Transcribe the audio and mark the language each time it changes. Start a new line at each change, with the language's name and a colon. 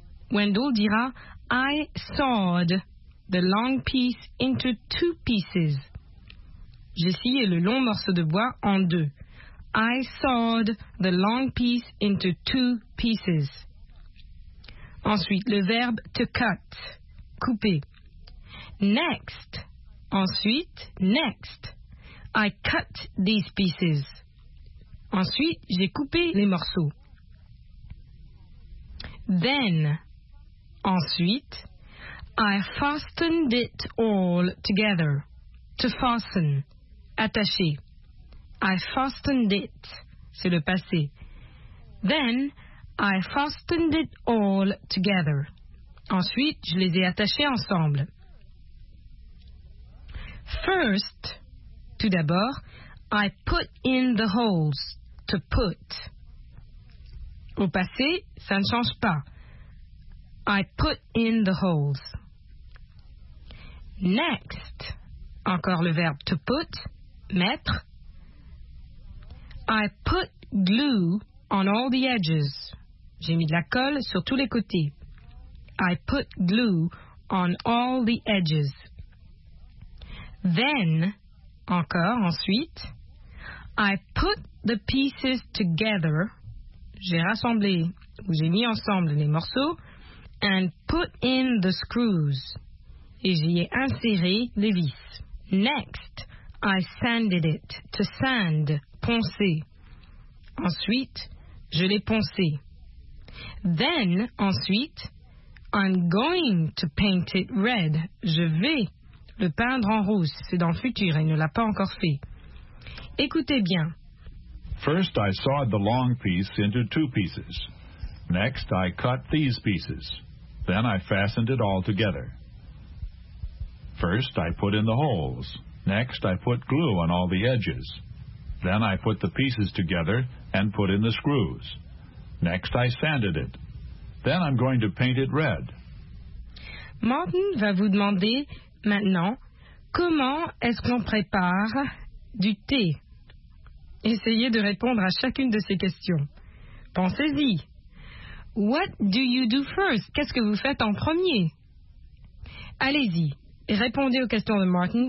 English: Wendell dira, I sawed the long piece into two pieces.
French: J'ai scié le long morceau de bois en deux.
English: I sawed the long piece into two pieces.
French: Ensuite, le verbe
English: to cut,
French: couper.
English: Next.
French: Ensuite,
English: next. I cut these pieces.
French: Ensuite, j'ai coupé les morceaux.
English: Then.
French: Ensuite,
English: I fastened it all together. To fasten, attacher. I fastened it,
French: c'est le passé.
English: Then, I fastened it all together.
French: Ensuite, je les ai attachés ensemble.
English: First,
French: tout d'abord,
English: I put in the holes, to put.
French: Au passé, ça ne change pas.
English: I put in the holes. Next,
French: encore le verbe
English: to put, mettre. I put glue on all the edges.
French: J'ai mis de la colle sur tous les côtés.
English: I put glue on all the edges. Then,
French: encore, ensuite,
English: I put the pieces together.
French: J'ai rassemblé, ou j'ai mis ensemble les morceaux.
English: And put in the screws.
French: Et j'y ai inséré les vis.
English: Next, I sanded it. To sand, poncer.
French: Ensuite, je l'ai poncé.
English: Then,
French: ensuite,
English: I'm going to paint it red.
French: Je vais le peindre en rouge. C'est dans le futur, il ne l'a pas encore fait. Écoutez bien.
English: First, I sawed the long piece into two pieces. Next, I cut these pieces. Then I fastened it all together. First, I put in the holes. Next, I put glue on all the edges. Then I put the pieces together and put in the screws. Next, I sanded it. Then I'm going to paint it red.
French: Martin va vous demander maintenant comment est-ce qu'on prépare du thé. Essayez de répondre à chacune de ces questions. Pensez-y.
English: What do you do first?
French: Qu'est-ce que vous faites en premier? Allez-y, répondez aux questions de Martin.